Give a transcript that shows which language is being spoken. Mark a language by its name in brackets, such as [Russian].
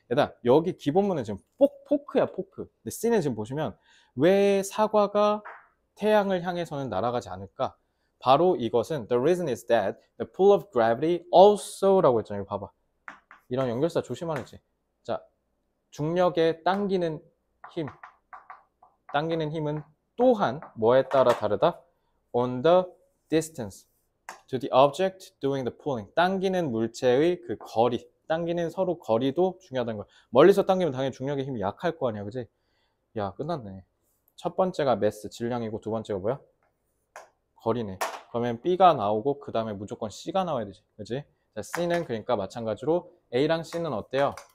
[Korean] 일단, 여기 기본문은 지금 포크야, 포크. 근데 C는 지금 보시면, 왜 사과가 태양을 향해서는 날아가지 않을까? 바로 이것은, [English] the reason is that the pull of gravity also라고 [Korean] 했잖아요. 이거 봐봐. 이런 연결사 조심하랬지. 자, 중력에 당기는 힘. 당기는 힘은 또한 뭐에 따라 다르다? [English] On the distance to the object doing the pulling. [Korean] 당기는 물체의 그 거리. 당기는 서로 거리도 중요하다는 거야. 멀리서 당기면 당연히 중력의 힘이 약할 거 아니야, 그지? 야, 끝났네. 첫 번째가 mass, 질량이고 두 번째가 뭐야? 거리네. 그러면 B가 나오고 그 다음에 무조건 C가 나와야 되지, 그지? C는 그러니까 마찬가지로 A랑 C는 어때요?